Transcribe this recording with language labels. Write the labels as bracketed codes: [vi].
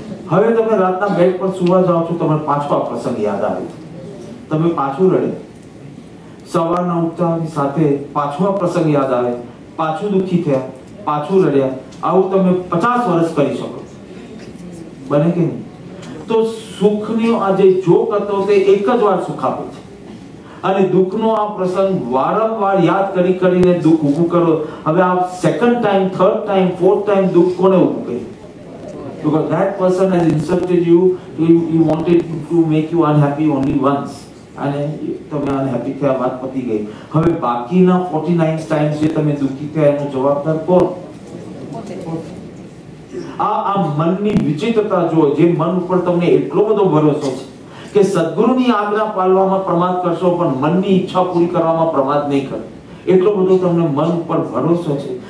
[gu] હવે તમે રાતના બેડ પર સુવા જાઓ છો, તમારે પાછો આ પ્રસંગ યાદ આવે, તમે પાછું રડે, સવારના ઉઠતાની સાથે પાછો આ પ્રસંગ યાદ આવે, પાછું દુઃખી થયા, પાછું રડ્યા, આવું તમે 50 વર્ષ કરી શકો, બને કે નહીં? તો સુખનો આ જે જોક હતો તે એક જ વાર સુખ આપે છે, અને દુઃખનો આ પ્રસંગ વારંવાર યાદ કરી કરીને દુઃખ ઊભું કરો. હવે આ second time, third time, fourth time દુઃખ કોને ઊભું કરે? [en] Because that person has insulted you, he wanted to make you unhappy only once. [gu] અને તમે અનહેપી થયા બાદ પતી ગઈ. હવે બાકીના 49 ટાઈમ્સ જે તમે દુઃખી થયા એનો જવાબદાર કોણ? આ મનની વિચિત્રતા જો, જે મન ઉપર તમને એટલો બધો ભરોસો છે કે સદ્ગુરુની આજ્ઞા પાલવામાં પ્રમાદ કરશો પણ મનની ઈચ્છા પૂરી કરવામાં પ્રમાદ નહીં કરે, એટલો બધો તમને મન ઉપર ભરોસો છે.